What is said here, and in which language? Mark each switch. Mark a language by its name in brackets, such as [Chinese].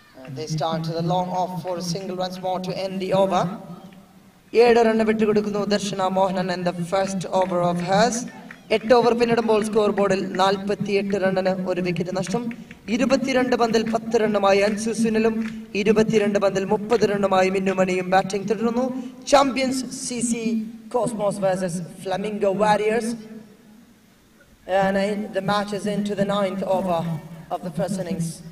[English] This time to the long off for a single once more to end the over. [Malayalam] ഏഴ് run വിട്ടുകൊടുക്കുന്നു [English] Darshana Mohanan in the first over of hers. [Malayalam] എട്ട് over പിന്നിടുമ്പോൾ score ബോർഡിൽ 48 റണ്ണിന് ഒരു wicket നഷ്ടം. 22 പന്തിൽ 10 റണ്ണുമായി അൻസു സുനിലും 22 പന്തിൽ 30 റണ്ണുമായി മിന്നുമണിയും batting തുടരുന്നു. Champions C C cosmos versus flamingo warriors. [English] And the match is into the ninth over of the first innings.